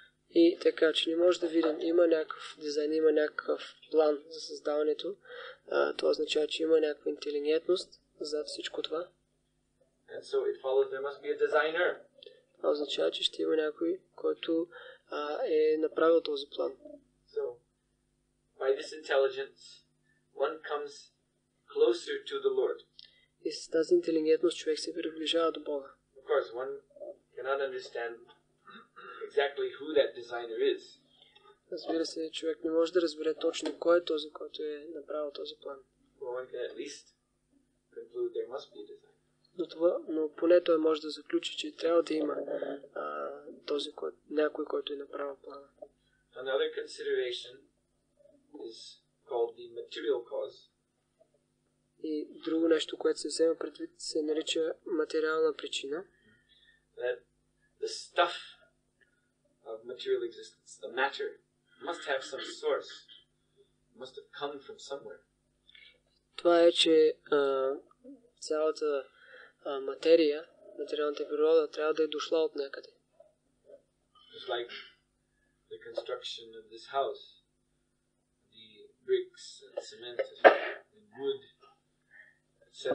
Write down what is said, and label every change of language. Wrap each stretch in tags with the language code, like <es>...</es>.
<bg>И така, че не може да видим, има някакъв дизайн, има някакъв план за създаването. Това означава, че има някаква интелигентност зад всичко това.</bg> <en>And so it follows there must be a designer.</en> <bg>Това означава, че ще има някой, който е направил този план.</bg> <en>So, by this intelligence, one comes closer to the Lord.</en> <bg>И с тази интелигентност човек се приближава до Бога.</bg> <en>Of course, one cannot understand exactly who that designer is.</en> <bg>Разбира се, човек не може да разбере точно кой е този, който е направил този план.</bg> <en>Well, one can at least conclude there must be a designer.</en> <bg>Но това, но поне той може да заключи, че трябва да има този някой, който е направил плана.</bg> <en>Another consideration is called the material cause.</en> <bg>И друго нещо, което се взема предвид, се нарича материална причина.</bg> <en>The stuff of material existence, the matter, must have some source. Must have come from somewhere.</en> <bg>Това е, че цялата материя, материалната природа, трябва да е дошла от някъде.</bg> <en>Just like the construction of this house, the bricks and cement and wood, etc.</en>